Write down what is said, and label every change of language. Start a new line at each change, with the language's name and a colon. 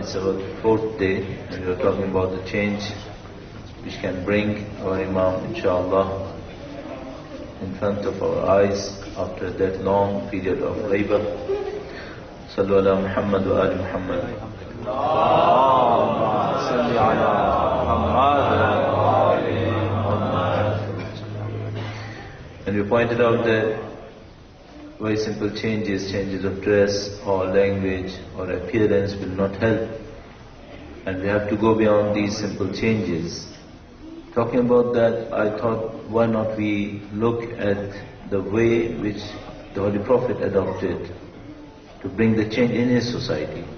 English: It's about the fourth day and we're talking about the change which can bring our Imam inshallah in front of our eyes after that long period of labor.
Arabic: صلوا على محمد وآل محمد. اللهم صل على محمد وآل محمد.
English: And we pointed out the very simple changes of dress or language or appearance will not help, and we have to go beyond these simple changes. Talking about that, I thought, why not we look at the way which the Holy Prophet adopted to bring the change in his society.